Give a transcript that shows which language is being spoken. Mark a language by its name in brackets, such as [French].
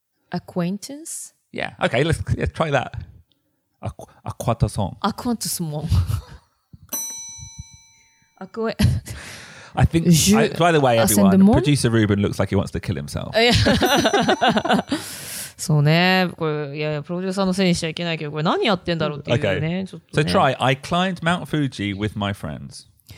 [English] Acquaintance? Yeah. Okay, let's try that. Acquaintance. Acquaintancemon. I think, by the way, everyone, producer Ruben looks like he wants to kill himself. [Japanese] そうね。これ、いやいや、プロデューサーのせいにしちゃいけないけど、これ何やってんだろうっていうね。 [English] Okay. [Japanese] ちょっとね。 [English] So try, I climbed Mount Fuji with my friends.